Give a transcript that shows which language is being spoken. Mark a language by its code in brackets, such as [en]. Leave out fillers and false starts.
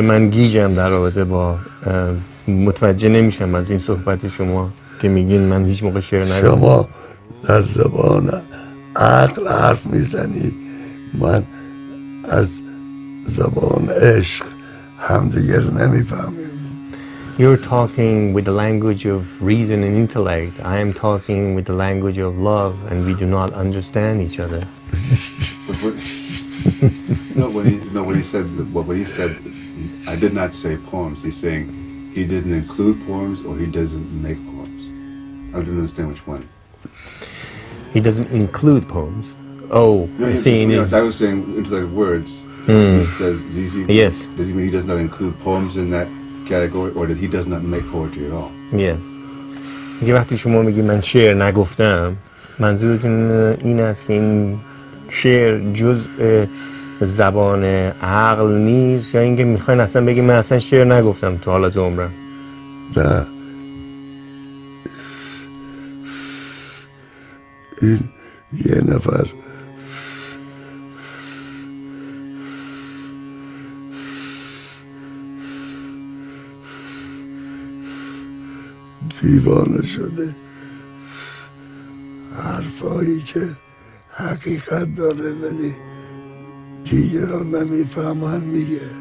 [fa] من گیجم در رابطه با متوجه نمیشم از این صحبت شما که میگین من هیچ موقع شعر نگفتم. شما در زبان عقل حرف میزنی، من از زبان عشق همدیگر نمیفهمیم. [en] You're talking with the language of reason and intellect. I am talking with the language of love, and we do not understand each other. What he said, I did not say poems. He's saying he didn't include poems or he doesn't make poems. I don't understand which one. He doesn't include poems. Oh, no, seeing as I was saying, into the words. Does he mean he does not include poems in that category, or that he does not make poetry at all? Yes. [fa] یه وقتی شما میگی من شعر نگفتم، منظورتون این است که این شعر جزء زبان عقل نیست، یا اینکه میخواین اصلا بگی من اصلا شعر نگفتم تو حالت عمرم؟ نه، این یه نفر دیوانه شده، حرفایی که حقیقت داره ولی دیگران نمیفهمن میگه